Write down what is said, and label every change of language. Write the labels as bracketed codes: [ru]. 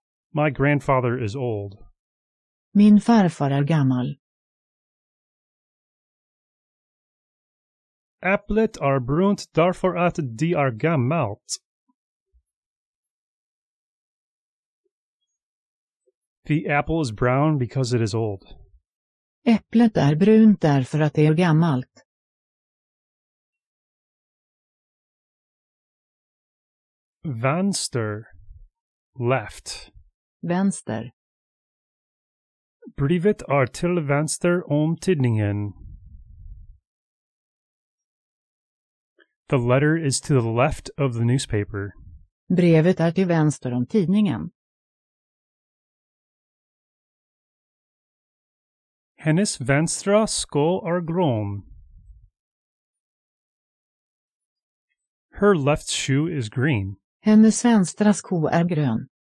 [en] My grandfather is old. [sv] Min farfar är gammal. Äpplet är brunt därför att det är gammalt. [en] The apple is brown because it is old. [sv] Äpplet är brunt därför att det är gammalt. Vänster. [en] Left. [sv] Vänster. Brevet är till vänster om tidningen. [en] The letter is to the left of the newspaper. [sv] Brevet är till vänster om tidningen. Hennes vänstra skål är grön. [en] Her left shoe is green. [sv] Hennes vänstra sko är grön.